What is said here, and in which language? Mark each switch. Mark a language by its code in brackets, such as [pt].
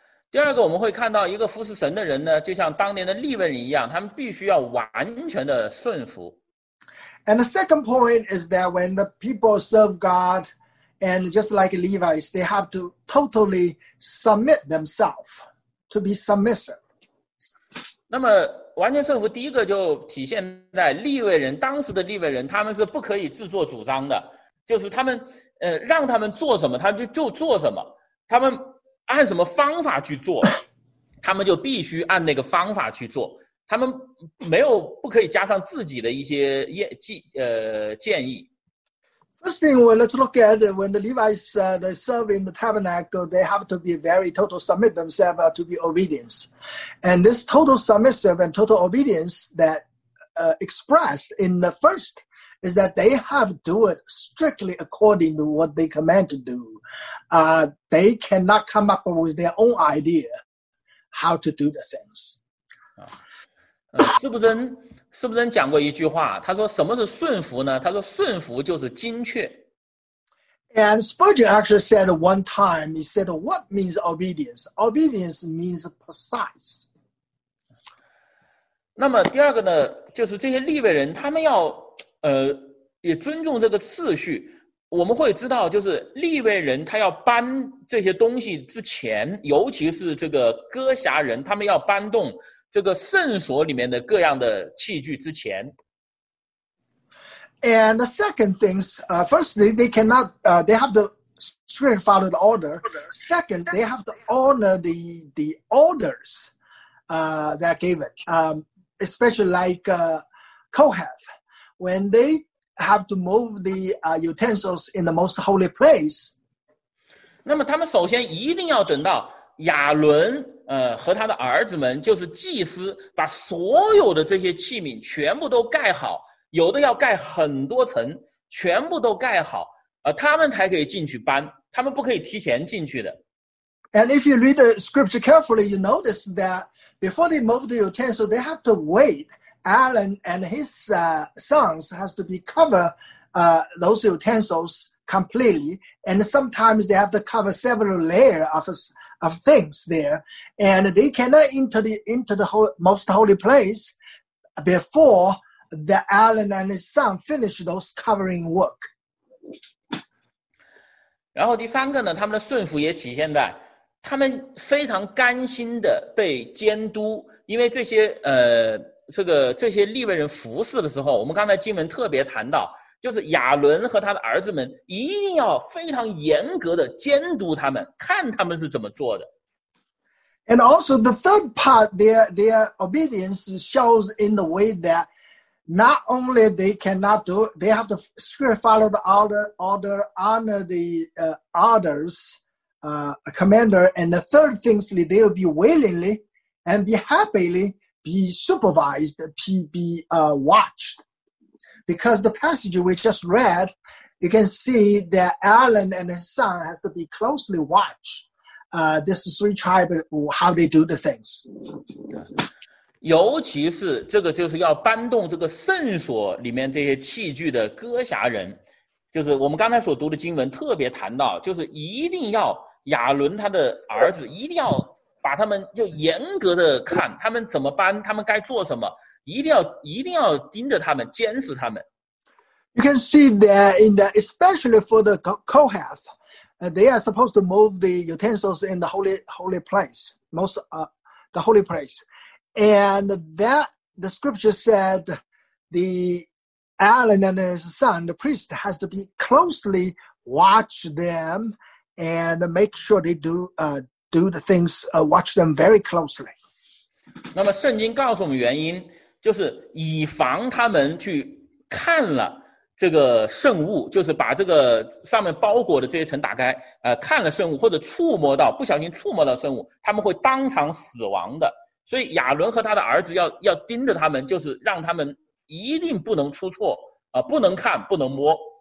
[zh] 第二个，我们会看到一个服侍神的人呢，就像当年的利未人一样，他们必须要完全的顺服。 [en] And the second point is that when the people serve God, and just like Levites, they have to totally submit themselves to be submissive. [zh] 那么完全顺服，第一个就体现在利未人，当时的利未人，他们是不可以自作主张的，就是他们让他们做什么，他们就做什么，他们。按什么方法去做，他们就必须按那个方法去做，他们没有不可以加上自己的一些建议。 [en] First thing, well, let's look at when the Levites they serve in the tabernacle, they have to be very total submit themselves to be obedience. And this total submissive and total obedience that expressed in the first is that they have to do it strictly according to what they command to do. They cannot come up with their own idea how to do the things. [zh] 是不是讲过一句话，他说什么是顺服呢？他说顺服就是精确。 [en] And Spurgeon actually said one time, he said, what means obedience? Obedience means precise. [zh] 那么第二个呢，就是这些利未人他们要也尊重这个次序。我们会知道就是利未人他要搬这些东西之前，尤其是这个歌辖人，他们要搬动这个圣所里面的各样的器具之前。 [en] And the second things, firstly, they cannot, they have to strictly follow the order. Second, they have to honor the orders that given, especially like Kohath. When they have to move the utensils in the most holy place. [zh] 那么他们首先一定要等到亚伦和他的儿子们就是祭司把所有的这些器皿全部都盖好，有的要盖很多层，全部都盖好，他们才可以进去搬，他们不可以提前进去的。 [en] And if you read the scripture carefully, you notice that before they move the utensil, they have to wait. Aaron and his sons has to be covered those utensils completely, and sometimes they have to cover several layers of things there, and they cannot enter the most holy place before the Aaron and his son finish those covering work. [zh] 然后第三个呢，他们的顺服也体现在他们非常甘心的被监督，因为这些利未人服侍的时候，我们刚才经文特别谈到，就是亚伦和他的儿子们一定要非常严格的监督他们，看他们是怎么做的。 [en] And also the third part, their obedience shows in the way that not only they cannot do, they have to strictly follow the order, honor the orders, commander. And the third thing is they will be willingly and be happily be supervised, be watched. Because the passage we just read, you can see that Aaron and his son has to be closely watched. This three tribes, how they do the things. [zh] 尤其是这个就是要搬动这个圣所里面这些器具的歌辖人，就是我们刚才所读的经文特别谈到，就是一定要亚伦他的儿子一定要把他们就严格的看他们怎么搬，他们该做什么。一定要盯着他们，监视他们。 [en] You can see that in the, especially for the Kohath, they are supposed to move the utensils in the holy place, most the holy place. And that the scripture said, the Aaron and his son, the priest, has to be closely watch them and make sure they do the things, watch them very closely. [zh] 那么圣经告诉我们原因。就是以防他们去看了这个圣物，就是把这个上面包裹的这些层打开，看了圣物或者触摸到，不小心触摸到圣物，他们会当场死亡的。所以亚伦和他的儿子要盯着他们，就是让他们一定不能出错，不能看，不能摸。